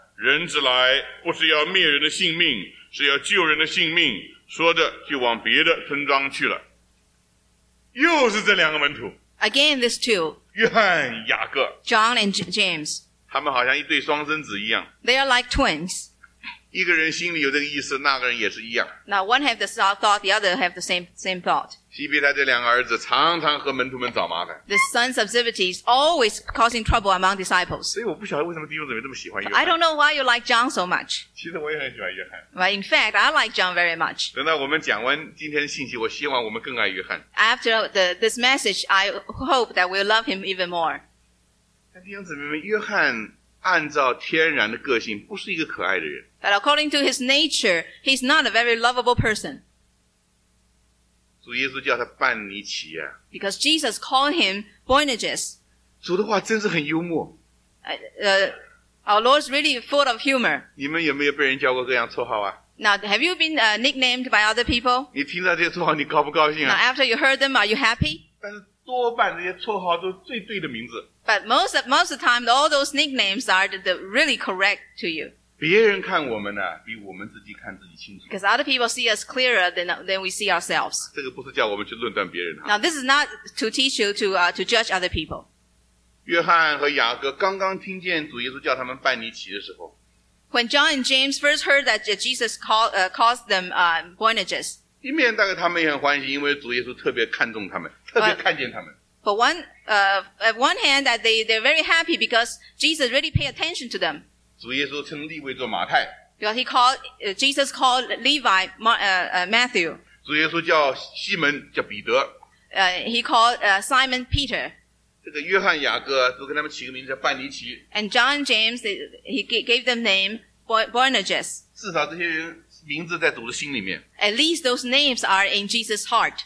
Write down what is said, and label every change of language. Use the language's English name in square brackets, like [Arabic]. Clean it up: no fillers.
[Chinese] 人子来不是要灭人的性命，是要救人的性命。说着就往别的村庄去了。又是这两个门徒。 [English] Again, these two. [Chinese] 约翰、雅各。 [English] John and James. [Chinese] 他们好像一对双生子一样。 [English] They are like twins. [Chinese] 一个人心里有这个意思，那个人也是一样。 [English] Now one have the thought, the other have the same thought. [Chinese] 西庇太这两个儿子常常和门徒们找麻烦。 [English] The sons of Zebedee is always causing trouble among disciples. [Chinese] 所以我不晓得为什么弟兄姊妹这么喜欢约翰。 [English] I don't know why you like John so much. [Chinese] 其实我也很喜欢约翰。 [English] But in fact, I like John very much. [Chinese] 等到我们讲完今天的信息，我希望我们更爱约翰。 [English] After this message, I hope that we'll love him even more. [Chinese] 但弟兄姊妹们，约翰按照天然的个性不是一个可爱的人。 [English] But according to his nature, he's not a very lovable person. [Chinese] 主耶稣叫他伴尼奇啊。 [English] Because Jesus called him Boanerges. [Chinese] 主的话真是很幽默。 [English] Our Lord's really full of humor. [Chinese] 你们有没有被人叫过各样绰号啊？ [English] Now, have you been nicknamed by other people? [Chinese] 你听到这些绰号你高不高兴啊？ [English] Now, after you heard them, are you happy? [Chinese] 但是多半这些绰号都最对的名字。 [English] But most of the time, all those nicknames are the really correct to you. [Chinese] 别人看我们呢，比我们自己看自己清楚。 [English] Because other people see us clearer than we see ourselves. [Chinese] 这个不是叫我们去论断别人。 [English] Now, this is not to teach you to judge other people. [Chinese] 约翰和雅各刚刚听见主耶稣叫他们伴尼奇的时候。 [English] When John and James first heard that Jesus calls them Boanerges. [Chinese] 一面大概他们也很欢喜，因为主耶稣特别看重他们，特别看见他们。 [English] But at one hand, that they're very happy because Jesus really paid attention to them. [Chinese] 主耶稣称利未做马太。 [English] Because Jesus called Levi Matthew. [Chinese] 主耶稣叫西门叫彼得。 [English] He called Simon Peter. [Chinese] 这个约翰雅各都给他们起个名字叫伴尼奇。 [English] And John James, he gave them name Boanerges. [Chinese] 至少这些人名字在主的心里面。 [English] At least those names are in Jesus' heart.